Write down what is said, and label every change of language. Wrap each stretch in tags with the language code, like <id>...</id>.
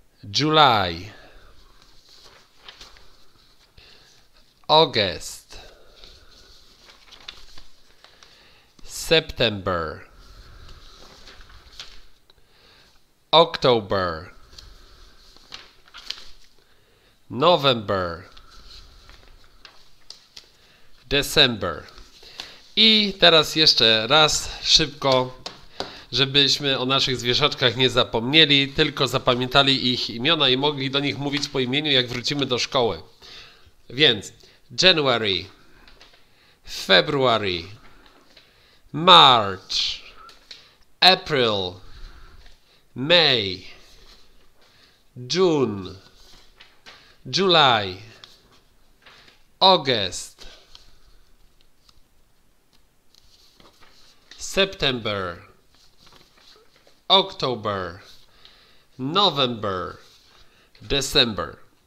<en>July, August, September, October, November, December.</en> <pl>I teraz jeszcze raz szybko. Żebyśmy o naszych zwierzaczkach nie zapomnieli, tylko zapamiętali ich imiona i mogli do nich mówić po imieniu, jak wrócimy do szkoły. Więc</pl> <en>January, February, March, April, May, June, July, August, September, October, November, December.</en>